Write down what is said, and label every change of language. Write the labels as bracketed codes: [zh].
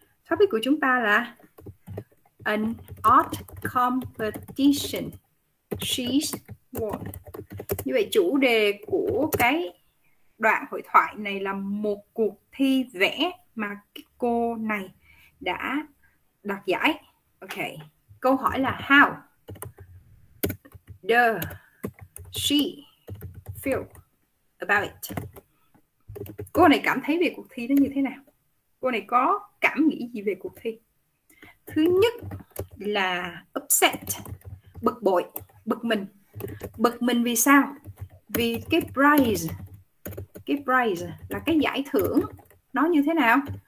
[en] Topic [vi] của chúng ta là [en] an art competition she's won. [vi] Như vậy chủ đề của cái đoạn hội thoại này là một cuộc thi vẽ mà cô này đã đạt giải. Ok. Câu hỏi là [en] how does she feel about it? [vi] Cô này cảm thấy về cuộc thi đó như thế nào? Cô này có cảm nghĩ gì về cuộc thi? Thứ nhất là upset, bực bội, bực mình. Bực mình vì sao? Vì cái prize là cái giải thưởng nó như thế nào?